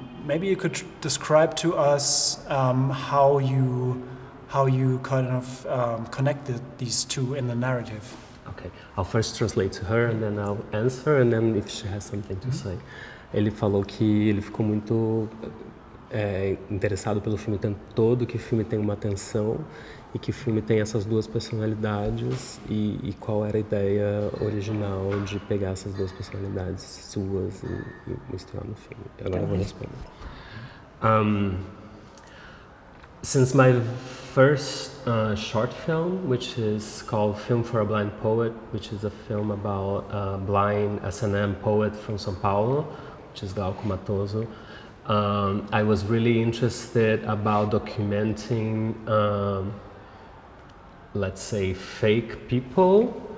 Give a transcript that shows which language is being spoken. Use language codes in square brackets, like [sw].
[en] Maybe you could describe to us how you kind of connected these two in the narrative. Okay, I'll first translate to her and then I'll answer, and then if she has something to say. [pt] Ele falou que ele ficou muito interessado pelo filme tanto todo, que o filme tem uma tensão e que o filme tem essas duas personalidades e qual era a ideia original de pegar essas duas personalidades suas e misturar no filme. Agora eu vou responder. [en] Since my first short film, which is called Film for a Blind Poet, which is a film about a blind S&M poet from São Paulo, which is Glauco Matoso. I was really interested about documenting, let's say, fake people.